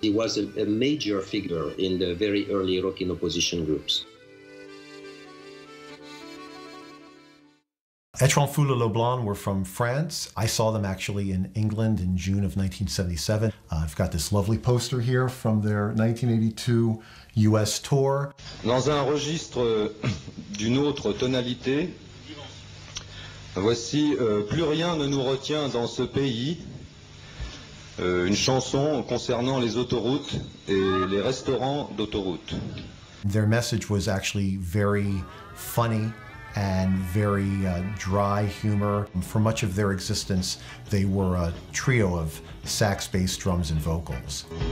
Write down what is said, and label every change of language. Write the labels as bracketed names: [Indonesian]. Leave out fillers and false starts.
[English] He was a major figure in the very early rock in opposition groups. Etrange Foule Le Blanc were from France. I saw them actually in England in June of 1977. I've got this lovely poster here from their 1982 US tour. [French] Dans un registre d'une autre tonalité, voici Plus rien ne nous retient dans ce pays, une chanson concernant les autoroutes et les restaurants d'autoroutes. [English] Their message was actually very funny and very dry humor. For much of their existence, they were a trio of sax, bass, drums, and vocals.